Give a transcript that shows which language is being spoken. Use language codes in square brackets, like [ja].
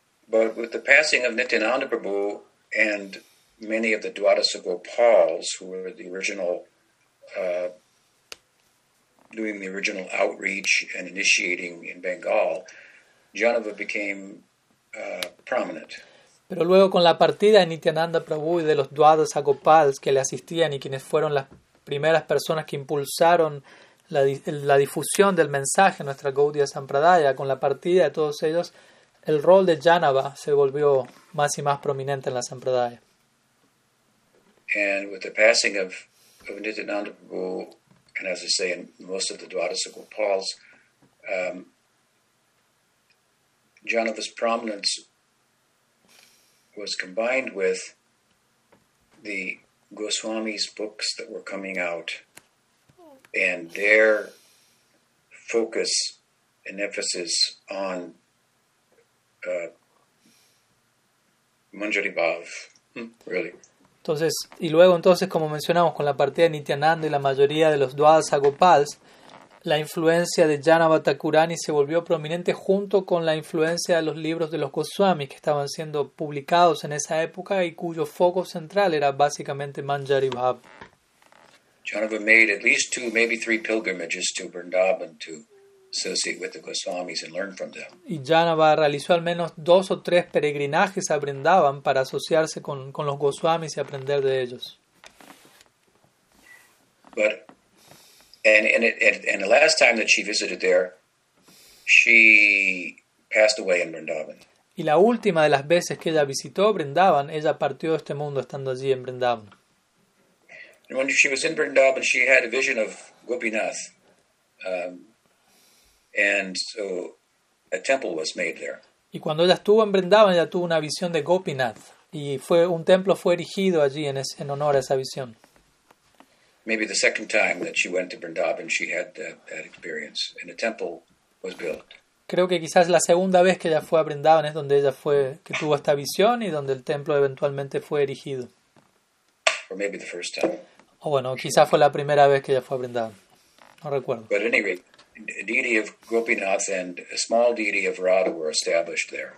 [en] But with the passing of Nityananda Prabhu and many of the Dwadasa Gopals, who were the original, doing the original outreach and initiating in Bengal, Janava became prominent. [es] Pero luego con la partida de Nityananda Prabhu y de los Dwadasa Gopals que le asistían y quienes fueron las primeras personas que impulsaron la difusión del mensaje en nuestra Gaudiya Sampradaya, con la partida de todos ellos, el rol de Janava se volvió más y más prominente en la Sampradaya. [en] And with the passing of Nityananda Prabhu, and as I say, in most of the Dwadasa Gopals, Janava's prominence was combined with the Goswami's books that were coming out, and their focus and emphasis on Manjari Bhav, really. [es] Entonces, y luego entonces, como mencionamos, con la partida de Nityananda y la mayoría de los Dwadasa Gopals, la influencia de Janava Thakurani se volvió prominente junto con la influencia de los libros de los Goswamis que estaban siendo publicados en esa época y cuyo foco central era básicamente Manjari Bhav. [en] Janava made at least two, maybe three pilgrimages to Vrindavan to associate with the Goswamis and learn from them. [es] Y Janava realizó al menos dos o tres peregrinajes a Vrindavan para asociarse con los Goswamis y aprender de ellos. [en] But and the last time that she visited there, she passed away in Vrindavan. [es] Y la última de las veces que ella visitó Vrindavan, ella partió de este mundo estando allí en Vrindavan. [en] And when she was in Vrindavan, she had a vision of Gopinath. And so a temple was made there. [es] Y cuando ella estuvo en Vrindavan, ella tuvo una visión de Gopinath. Y un templo fue erigido allí en honor a esa visión. [en] Maybe the second time that she went to Vrindavan, she had that experience. And a temple was built. [es] Creo que quizás la segunda vez que ella fue a Vrindavan es donde ella fue, que tuvo esta visión y donde el templo eventualmente fue erigido. [en] Or maybe the first time. [es] O bueno, quizás fue la primera vez que ella fue a Vrindavan. No recuerdo. [en] But anyway, deity of Gopinath and a small deity of Radha were established there.